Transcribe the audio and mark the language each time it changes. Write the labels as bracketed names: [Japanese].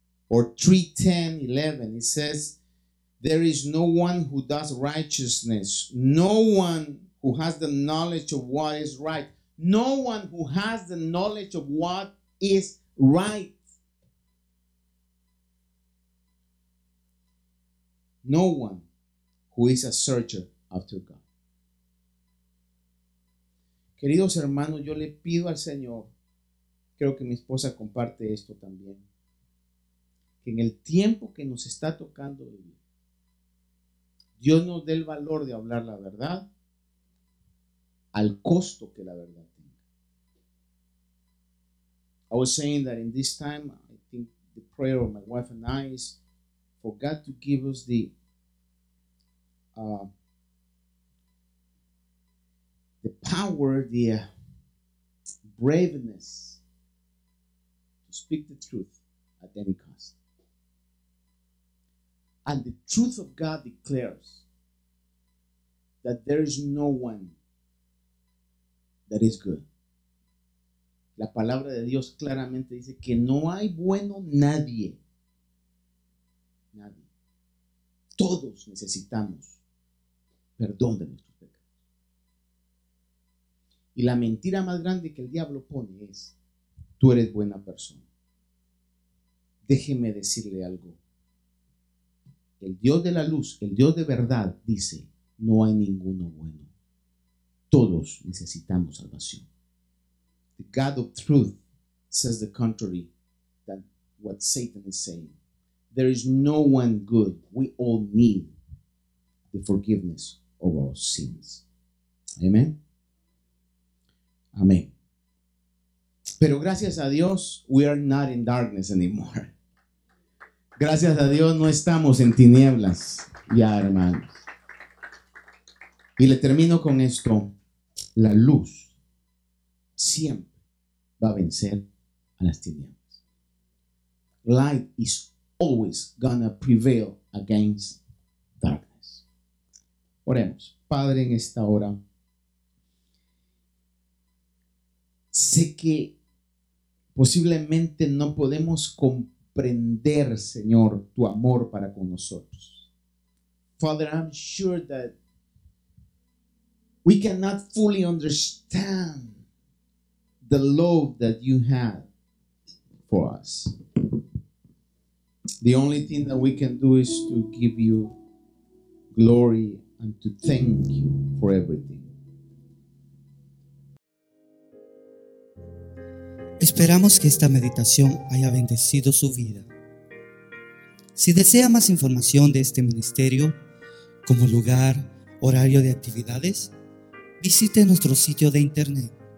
[English] Or 3:10-11, it says, there is no one who does righteousness, no one who has the knowledge of what is right, no one who has the knowledge of what is right. No one who is a searcher after God. [Spanish] Queridos hermanos, yo le pido al Señor, creo que mi esposa comparte esto también, que en el tiempo que nos está tocando vivir, Dios nos dé el valor de hablar la verdad al costo que la verdad tenga. [English] I was saying that in this time, I think the prayer of my wife and I is for God to give us the power, the braveness to speak the truth at any cost. And the truth of God declares that there is no one that is good. [Spanish] La palabra de Dios claramente dice que no hay bueno nadie. Nadie. Todos necesitamos perdón de nuestros pecados. Y la mentira más grande que el diablo pone es, tú eres buena persona. Déjeme decirle algo. El Dios de la luz, el Dios de verdad, dice, no hay ninguno bueno. Todos necesitamos salvación. [English] The God of truth says the contrary than what Satan is saying. There is no one good. We all need the forgiveness of our sins. Amen. Amen. [Spanish] Pero gracias a Dios, [English] we are not in darkness anymore. [Spanish] Gracias a Dios, no estamos en tinieblas. Ya, hermanos. Y le termino con esto. La luz siempre va a vencer a las tinieblas. [English] Light is always gonna prevail against darkness. [Spanish] Oremos. Padre, en esta hora, sé que posiblemente no podemos comprender, Señor, tu amor para con nosotros. [English] Father, I'm sure that we cannot fully understand the love that you have for us. The only thing that we can do is to give you glory and to thank you for everything. [Spanish] Esperamos que esta meditación haya bendecido su vida. Si desea más información de este ministerio, como lugar, horario de actividades, visite nuestro sitio de internet.